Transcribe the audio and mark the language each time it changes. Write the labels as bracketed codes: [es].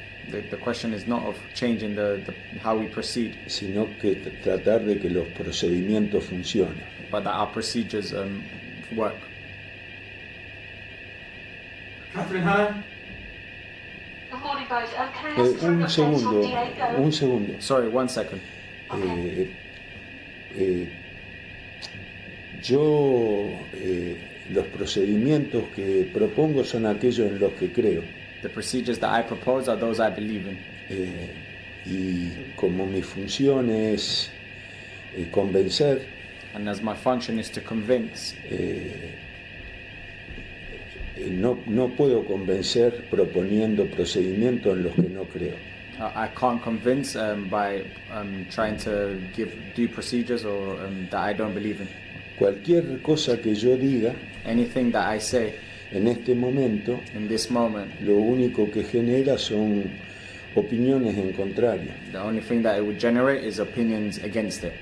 [en] The question is not of changing the how we proceed, [es] sino que tratar de que los procedimientos funcionen. [en] but that our procedures work. Catherine Hearn. Good morning, guys. Can I ask for an [es] Un [en] update on [es] segundo, Diego? un segundo. [en] Sorry, one second. Okay. [es] Los procedimientos que propongo son aquellos en los que creo. [en] The procedures that I propose are those I believe in. [es] Y como mi función es convencer, [en] And as my function is to convince, [es] no puedo convencer proponiendo procedimientos en los que no creo. [en] I can't convince by trying to give due procedures or that I don't believe in. [es] Cualquier cosa que yo diga [en] Anything that I say. [es] en este momento, [en] In this moment, [es] lo único que genera son opiniones en contrario. [en] the only thing that it would generate is opinions against it.